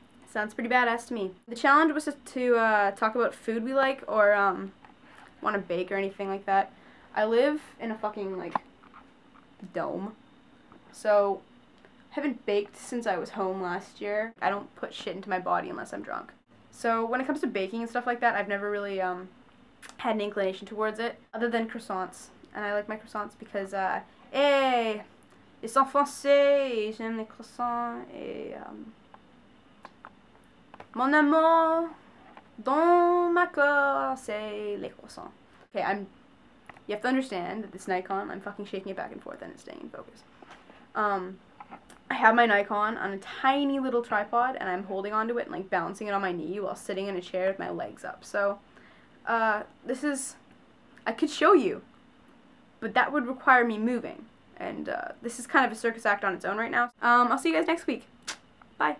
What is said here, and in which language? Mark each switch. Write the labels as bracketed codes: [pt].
[en] Sounds pretty badass to me. The challenge was to talk about food we like or want to bake or anything like that. I live in a fucking, like, dome. So, haven't baked since I was home last year. I don't put shit into my body unless I'm drunk. So, when it comes to baking and stuff like that, I've never really had an inclination towards it. Other than croissants. And I like my croissants because, hey, [fr] ils sont français, j'aime les croissants, et, mon amour dans ma corps, c'est les croissants. [en] Okay, you have to understand that this Nikon, I'm fucking shaking it back and forth and it's staying in focus. I have my Nikon on a tiny little tripod and I'm holding onto it and like balancing it on my knee while sitting in a chair with my legs up. So, I could show you, but that would require me moving. And, this is kind of a circus act on its own right now. I'll see you guys next week. Bye.